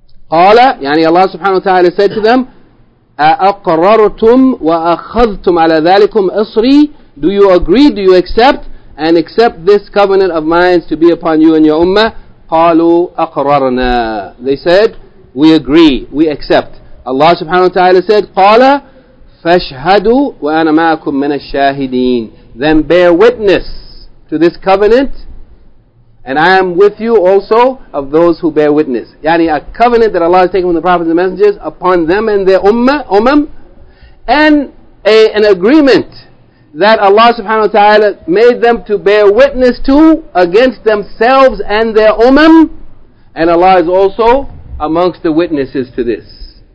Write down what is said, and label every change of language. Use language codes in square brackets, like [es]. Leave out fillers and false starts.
[en] قَالَ, يعني Allah subhanahu wa ta'ala said to them, [ar] أَأَقْرَرْتُمْ وَأَخَذْتُمْ عَلَى ذَلِكُمْ أَصْرِي. [en] Do you agree? Do you accept? And accept this covenant of mine to be upon you and your ummah. [ar] قَالُوا أَقْرَرْنَا. [en] They said, we agree, we accept. Allah subhanahu wa ta'ala said, [ar] قَالَ فَاشْهَدُوا وَأَنَا مَعَكُمْ مِنَ الشَّاهِدِينَ. [en] Then bear witness to this covenant, and I am with you also of those who bear witness. Yani a covenant that Allah has taken from the prophets and messengers upon them and their ummah, umam, and an agreement that Allah subhanahu wa ta'ala made them to bear witness to against themselves and their umam, and Allah is also amongst the witnesses to this.